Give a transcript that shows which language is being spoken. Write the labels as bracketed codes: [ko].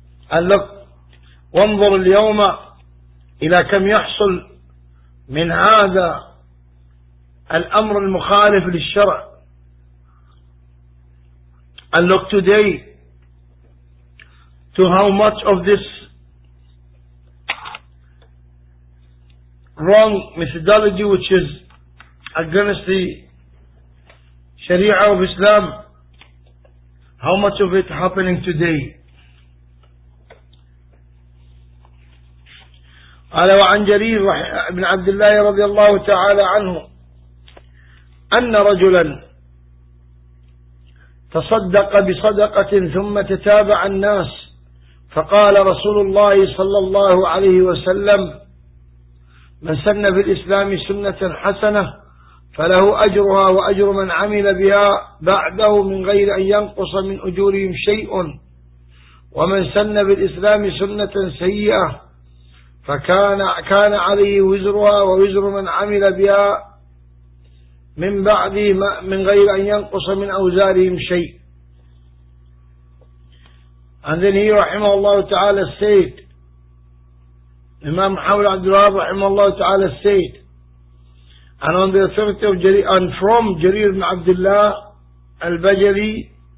[en] And look, [ar] وانظر اليوم إلى كم يحصل من هذا الأمر المخالف للشرع. [en] And look today to how much of this wrong methodology which is against the Sharia of Islam, how much of it happening today. [ar] قال وعن جرير بن عبد الله رضي الله تعالى عنه أن رجلا تصدق بصدقة ثم تتابع الناس فقال رسول الله صلى الله عليه وسلم من سن في الإسلام سنة حسنة فله أجرها وأجر من عمل بها بعده من غير أن ينقص من أجورهم شيء ومن سن بالإسلام سنة سيئة فكان عليه وزرها ووزر من عمل بها من بعده من غير أن ينقص من أوزارهم شيء. [en] And then he [ar] رحمه الله تعالى [en] said, Imam Muhammad عبد الوهاب رحمه الله تعالى said, and on the authority of Jarir, and from Jarir ibn Abdullah al-Bajali